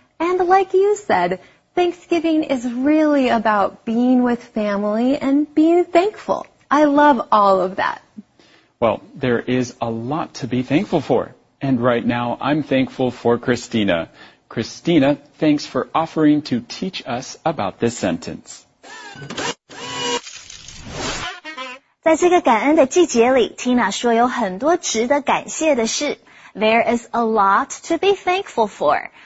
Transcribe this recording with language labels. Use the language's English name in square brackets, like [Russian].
[English] And like you said, Thanksgiving is really about being with family and being thankful. I love all of that. Well, there is a lot to be thankful for. And right now, I'm thankful for Christina. Christina, thanks for offering to teach us about this sentence. [Chinese] 在这个感恩的季节里 ,Tina 说有很多值得感谢的事。 [English] There is a lot to be thankful for.